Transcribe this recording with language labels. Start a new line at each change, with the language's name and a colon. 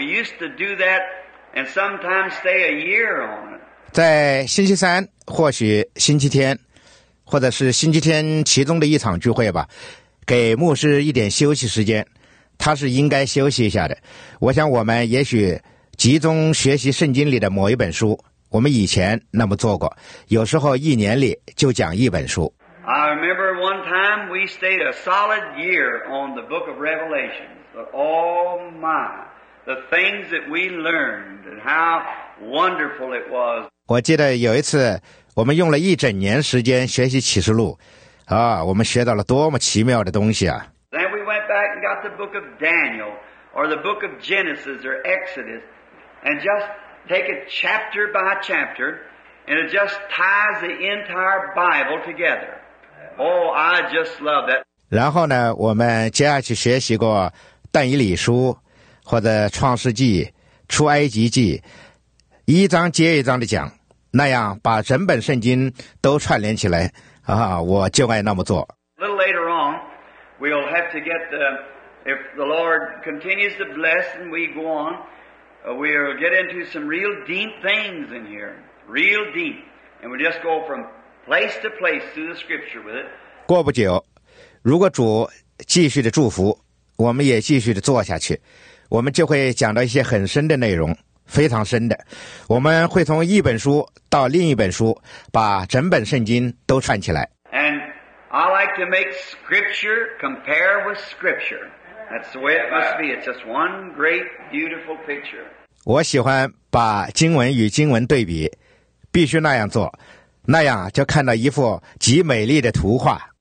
English: We used to do that and sometimes stay a year on it.
Chinese: 在星期三，或许星期天。或者是星期天其中的一场聚会吧，给牧师一点休息时间，他是应该休息一下的。我想我们也许集中学习圣经里的某一本书，我们以前那么做过，有时候一年里就讲一本书。
English: I remember one time we stayed a solid year on the book of Revelation. But oh my, the things that we learned and how wonderful it was.
Chinese: 我记得有一次我们用了一整年时间学习启示录，啊，我们学到了多么奇妙的东西啊！
English: Then we went back and got the book of Daniel, or the book of Genesis, or Exodus, and just take it chapter by chapter, and it just ties the entire Bible together. Oh, I just love that.
Chinese: 然后呢，我们接下去学习过但以理书，或者创世纪、出埃及记，一章接一章的讲。那样把整本圣经都串联起来啊，我就爱那么做。
English: A little later on, we'll have to get the, if the Lord continues to bless and we go on, we'll get into some real deep things in here, real deep, and we'll just go from place to place through the scripture with it.
Chinese: 过不久，如果主继续的祝福，我们也继续的做下去，我们就会讲到一些很深的内容。非常深的，我们会从一本书到另一本书，把整本圣经都串起来。
English: And I like to make scripture compare with scripture. That's the way it must be. It's just one great, beautiful picture.
Chinese: 我喜欢把经文与经文对比，必须那样做，那样就看到一幅极美丽的图画。